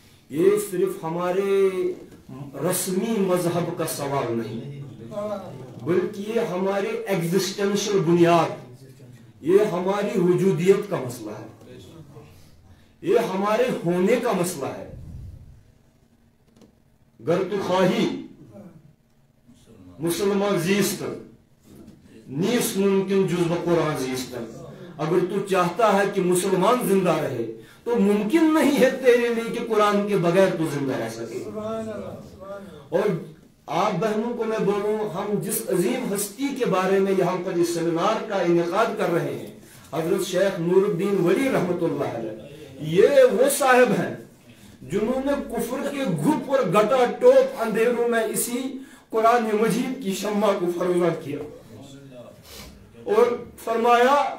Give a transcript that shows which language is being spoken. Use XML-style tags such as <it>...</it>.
<ur>یہ صرف ہمارے رسمی مذہب کا سوال نہیں بلکہ یہ ہمارے ایگزسٹینشل بنیاد, یہ ہماری وجودیت کا مسئلہ ہے, یہ ہمارے ہونے کا مسئلہ ہے,</ur> <fa>گر تو خواہی مسلمان زیست نیس ممکن جز بقرآن زیست.</fa> <ur>اگر تو چاہتا ہے کہ مسلمان زندہ رہے تو ممکن نہیں ہے تیرے لیے کہ قرآن کے بغیر تو زندہ رہ سکے. اور آپ بہنوں کو میں بولوں, ہم جس عظیم ہستی کے بارے میں یہاں پر اس سیمینار کا انعقاد کر رہے ہیں, حضرت شیخ نور الدین ولی رحمت اللہ علیہ, یہ وہ صاحب ہیں جنہوں نے کفر کے گھپ اور گٹا ٹوپ اندھیروں میں اسی قرآن مجید کی شمع کو فروغ کیا اور فرمایا</ur>